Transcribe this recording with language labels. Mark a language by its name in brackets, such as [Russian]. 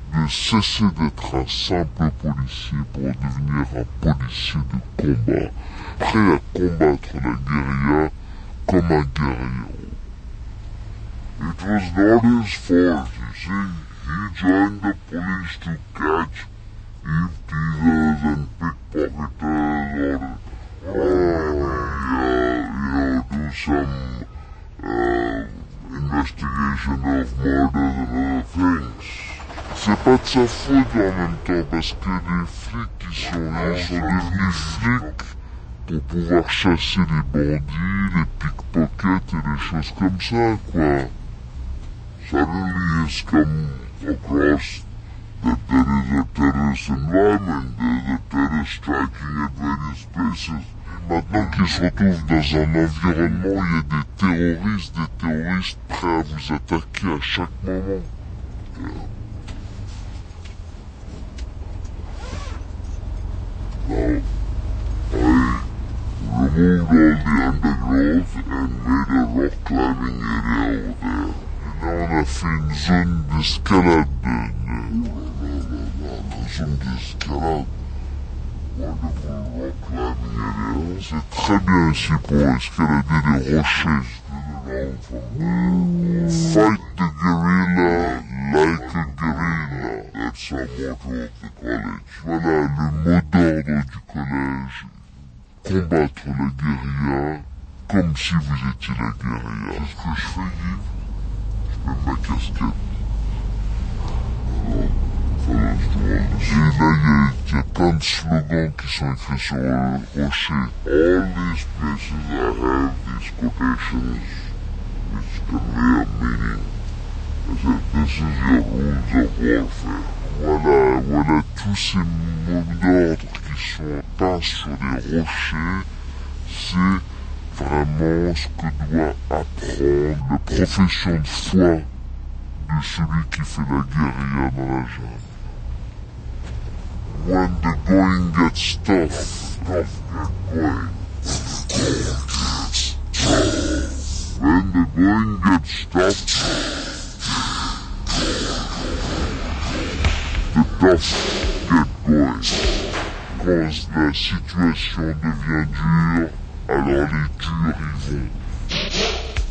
[French] Simple policier pour devenir un policier de combat, prêt à combattre la guérilla comme un guerrier. [English] It was not his fault, you see. He joined the police to catch thief dealers and pickpockets or do some investigation of murders and other things. [French] C'est pas de sa faute en même temps, parce que les flics qui sont là sont devenus flics pour pouvoir chasser les bandits, les pickpockets et les choses comme ça, quoi. [English] Suddenly he's come across that there is a terrorist environment, there is a terrorist striking at various places. [French] Maintenant qu'il se retrouve dans un environnement, il y a des terroristes prêts à vous attaquer à chaque moment. [English] Now, moved all the undergrowth and made a rock climbing area over there. You know that thing, Zun Diskelad. Zun Diskelad. Wonderful rock climbing area. [French] C'est très bien ici pour escalader les rochers. [English] Fight the gorilla like a gorilla. That's our motto of the college. [French] Voilà le mot d'ordre du collège. Combattre la guérilla comme si vous étiez la guérilla. C'est ce que je fais, Guy. Je mets ma casquette. Voilà, et là, il y a plein de slogans qui sont écrits sur le rocher. [English] All these places I have these quotations, which convey a meaning. I said, this is your rules of warfare. [French] Voilà tous ces mots d'ordre qui sont peints sur les rochers. C'est vraiment ce que doit apprendre la profession de foi de celui qui fait la guérilla dans la jungle. [English] When the going gets tough, when the going gets tough, the tough get going. [French] Cause la situation devient dure, alors les durs y vont.